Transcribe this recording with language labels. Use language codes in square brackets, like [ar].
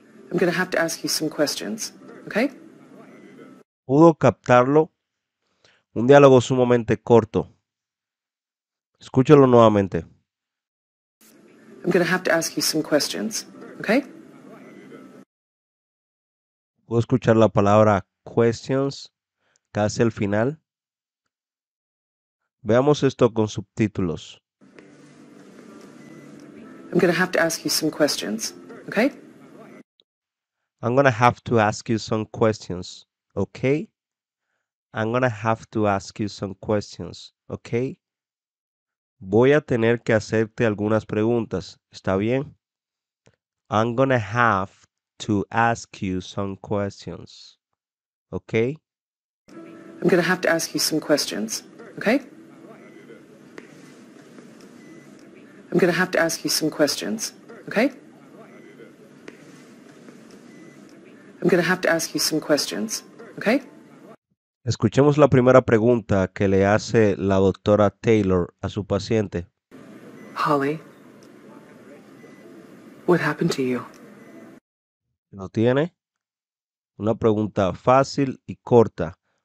[en] I'm going to have to ask you some questions, okay? [es] ¿Pudo captarlo? Un diálogo sumamente corto. Escúchalo nuevamente. [en] I'm going to have to ask you some questions, okay? [es] ¿Pudo escuchar la palabra questions casi al final? Veamos esto con subtítulos. [en] I'm going to have to ask you some questions, okay? I'm going to have to ask you some questions, okay? I'm going to have to ask you some questions, okay? [es] Voy a tener que hacerte algunas preguntas, ¿está bien? [en] I'm going to have to ask you some questions, okay? I'm going to have to ask you some questions, okay? I'm going to have to ask you some questions, okay? I'm going to have to ask you some questions, okay? [es] Escuchemos la primera pregunta que le hace la doctora Taylor a su paciente. [en] Holly, what happened to you? [es] ¿Lo tiene? Una pregunta fácil y corta.